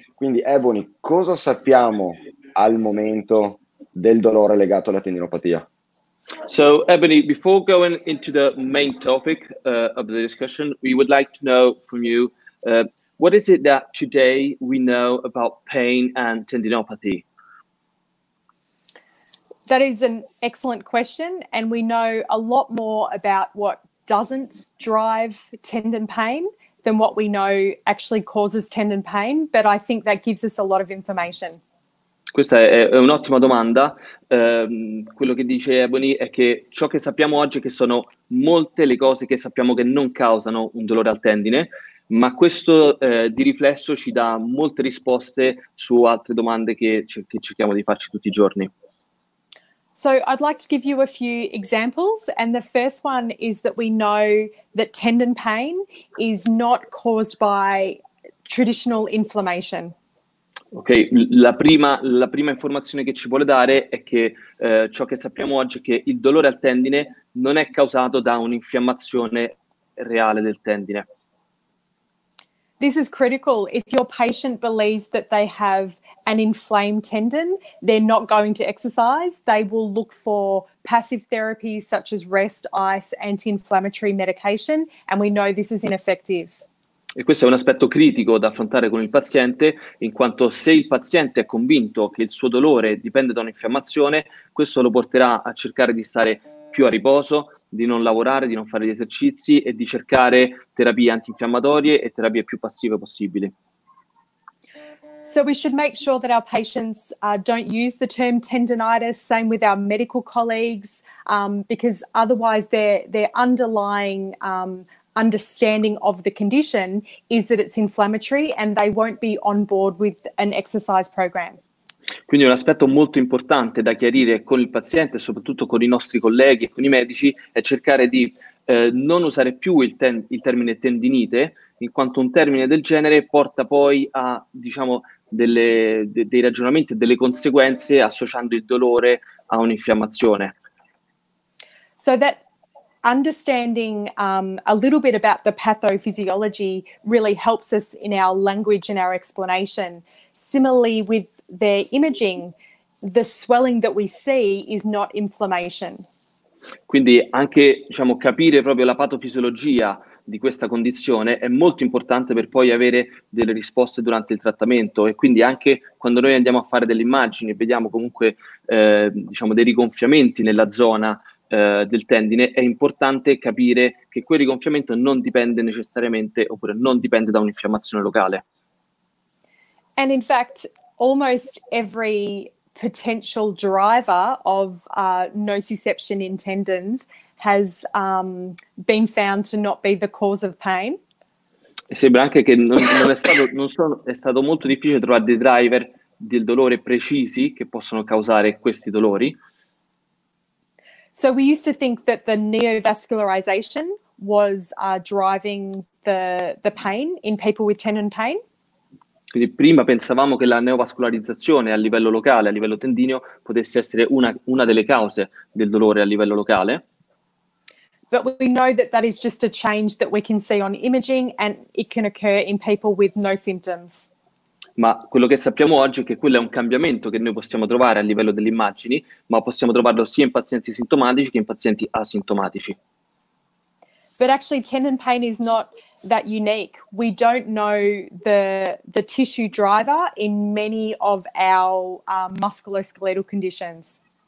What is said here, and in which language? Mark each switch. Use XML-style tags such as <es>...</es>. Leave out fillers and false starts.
<it>Quindi, Ebony, cosa sappiamo al momento del dolore legato alla tendinopatia?</it> <en>So, Ebony, before going into the main topic of the discussion, we would like to know from you, what is it that today we know about pain and tendinopathy? That is an excellent question, and we know a lot more about what doesn't drive tendon pain than what we know actually causes tendon pain, but I think that gives us a lot of information.</en> <it>Questa è un'ottima domanda. Quello che dice Ebony è che ciò che sappiamo oggi è che sono molte le cose che sappiamo che non causano un dolore al tendine, ma questo di riflesso ci dà molte risposte su altre domande che cerchiamo di farci tutti i giorni.</it> <en>So I'd like to give you a few examples, and the first one is that we know that tendon pain is not caused by traditional inflammation.</en> <it>Ok, la prima informazione che ci vuole dare è che ciò che sappiamo oggi è che il dolore al tendine non è causato da un'infiammazione reale del tendine.</it> <en>This is critical. If your patient believes that they have an inflamed tendon, they're not going to exercise. They will look for passive therapies such as rest, ice, anti-inflammatory medication, and we know this is ineffective.</en> <it>E questo è un aspetto critico da affrontare con il paziente, in quanto se il paziente è convinto che il suo dolore dipende da un'infiammazione, questo lo porterà a cercare di stare più a riposo, di non lavorare, di non fare gli esercizi e di cercare terapie antinfiammatorie e terapie più passive possibili.</it> <en>So we should make sure that our patients don't use the term tendinitis, same with our medical colleagues, because otherwise their underlying understanding of the condition is that it's inflammatory and they won't be on board with an exercise program.</en> <it>Quindi un aspetto molto importante da chiarire con il paziente, soprattutto con i nostri colleghi e con i medici, è cercare di non usare più il termine tendinite, in quanto un termine del genere porta poi a, diciamo, dei ragionamenti e delle conseguenze associando il dolore a un'infiammazione.</it> <en>So that understanding a little bit about the pathophysiology really helps us in our language and our explanation. Similarly with their imaging, the swelling that we see is not inflammation.</en> <it>Quindi anche, diciamo, capire proprio la patofisiologia di questa condizione è molto importante per poi avere delle risposte durante il trattamento, e quindi anche quando noi andiamo a fare delle immagini e vediamo comunque diciamo dei rigonfiamenti nella zona del tendine, è importante capire che quel rigonfiamento non dipende necessariamente, oppure non dipende da un'infiammazione locale.</it> <en>And in fact, almost every potential driver of nociception in tendons has been found to not be the cause of pain.</en> <it>E sembra anche che non è stato molto difficile trovare dei driver del dolore precisi che possono causare questi dolori.</it> <en>So we used to think that the neovascularization was driving the pain in people with tendon pain.</en> <it>Quindi prima pensavamo che la neovascularizzazione a livello locale, a livello tendineo, potesse essere una delle cause del dolore a livello locale.</it> <en>But we know that that is just a change that we can see on imaging and it can occur in people with no symptoms.</en> <it>Ma quello che sappiamo oggi è che quello è un cambiamento che noi possiamo trovare a livello delle immagini, ma possiamo trovarlo sia in pazienti sintomatici che in pazienti asintomatici.</it> <en>But actually tendon pain is not that unique. We don't know the tissue driver in many of our musculoskeletal conditions.</en>